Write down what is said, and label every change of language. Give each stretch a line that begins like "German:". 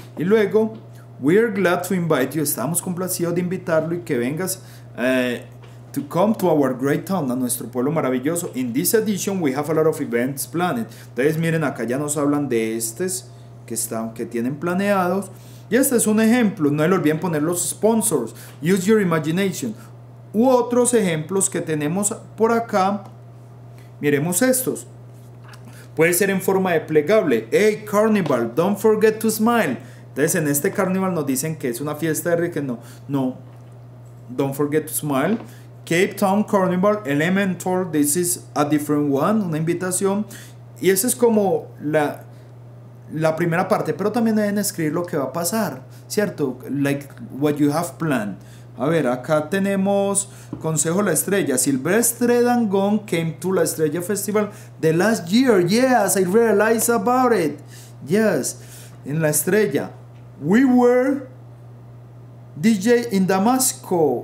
Spanish: Y luego,
English: we are glad to invite you.
Spanish: Estamos complacidos de invitarlo y que vengas
English: to come to our great town,
Spanish: a nuestro pueblo maravilloso.
English: In this edition, we have a lot of events planned.
Spanish: Entonces, miren, acá ya nos hablan de estos que tienen planeados. Y este es un ejemplo, no le olviden poner los sponsors,
English: use your imagination.
Spanish: U otros ejemplos que tenemos por acá, miremos estos. Puede ser en forma de plegable.
English: Hey, Carnival, don't forget to smile.
Spanish: Entonces, en este Carnival nos dicen que es una fiesta de riqueza. No, no,
English: don't forget to smile. Cape Town Carnival Elemental, this is a different one,
Spanish: una invitación. Y esa es como la primera parte, pero también deben escribir lo que va a pasar, ¿cierto?
English: Like what you have planned.
Spanish: A ver, acá tenemos
English: Consejo La Estrella. Silvestre Dangón came to La Estrella Festival the last year. Yes, I realized about it. Yes, en La Estrella. We were DJ in Damasco.